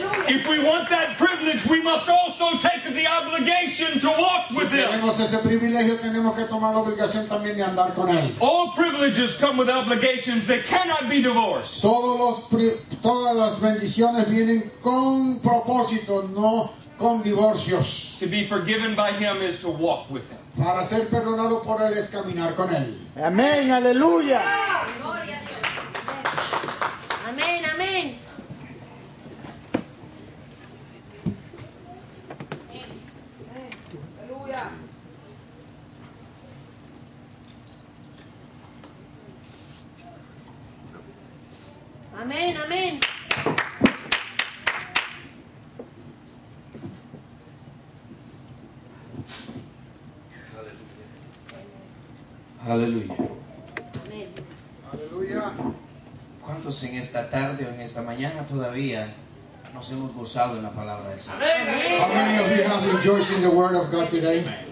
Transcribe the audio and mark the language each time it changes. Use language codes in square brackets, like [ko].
[en] If we want that privilege, we must also take the obligation to walk with Him. [es] Si tenemos ese privilegio, tenemos que tomar la obligación también de andar con Él. [en] All privileges come with obligations that cannot be divorced. [es] Todas las bendiciones vienen con propósito, no con divorcios. [en] To be forgiven by Him is to walk with Him. [es] Para ser perdonado por Él es caminar con Él. Amén, aleluya. Gloria a Dios. Amén, amén. Amén, amén. Aleluya. Aleluya. ¿Cuántos en esta tarde o en esta mañana todavía nos hemos gozado en la palabra del Señor? [en] Amen. How many of you have rejoiced in the word of God today?